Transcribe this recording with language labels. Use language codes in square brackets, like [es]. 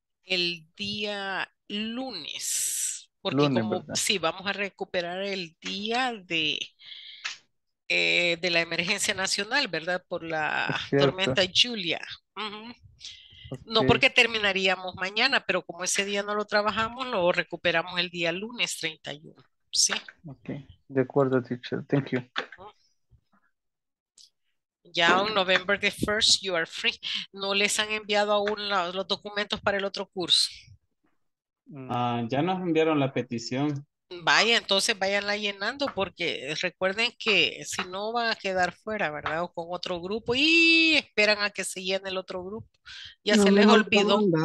[es] El día lunes, porque lunes, como si sí, vamos a recuperar el día de la emergencia nacional, ¿verdad? Por la tormenta Julia. Uh-huh. Okay. No porque terminaríamos mañana, pero como ese día no lo trabajamos, lo recuperamos el día lunes 31, ¿sí? Okay. De acuerdo, teacher. [en] Thank you. Ya on November the 1st, you are free. [es] ¿No les han enviado aún los documentos para el otro curso? Ya nos enviaron la petición. Vaya, entonces váyanla llenando porque recuerden que si no van a quedar fuera, ¿verdad? O con otro grupo y esperan a que se llene el otro grupo. Ya no, se les olvidó.